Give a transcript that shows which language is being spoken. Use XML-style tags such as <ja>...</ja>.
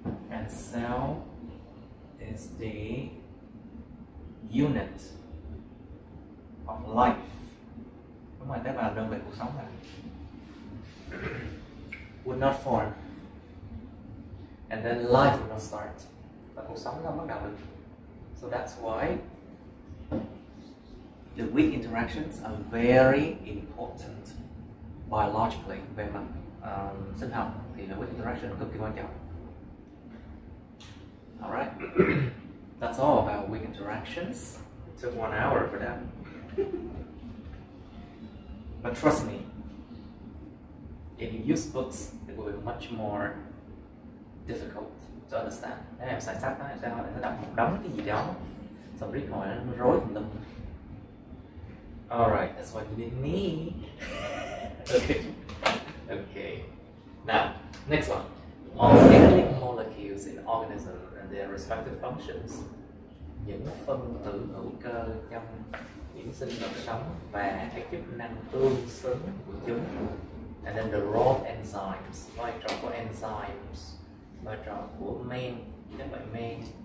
<en>And cell is the unit of life.</en> <vi>Đúng rồi, tế bào là đơn vị cuộc sống mà.</vi> <en>Would not form. And then life will not start.</en> <vi>Và cuộc sống nó bắt đầu được.</vi> <en>So that's why the weak interactions are very important biologically.</en> <vi>Về mặt sinh học thì là weak interaction cực kỳ quan trọng.</vi> <en>All right. That's all about weak interactions. It took 1 hour for that. But trust me, if you use books, it will be much more difficult to understand.</en> <vi>Nếu em xài sách, em sẽ hỏi là nó đọc một đống cái gì đó. Xong riết hỏi nó rối tùm lum.</vi> <en>All right, that's what you need me. Okay. Okay. Now, next one. Organic molecules in organism and their respective functions.</en> <vi>Những phân tử hữu cơ trong những sinh vật sống và các chức năng tương xứng của chúng.</vi> <en>And then the raw enzymes,</en> <vi>vai trò của enzymes, vai trò của men, các loại men.</vi>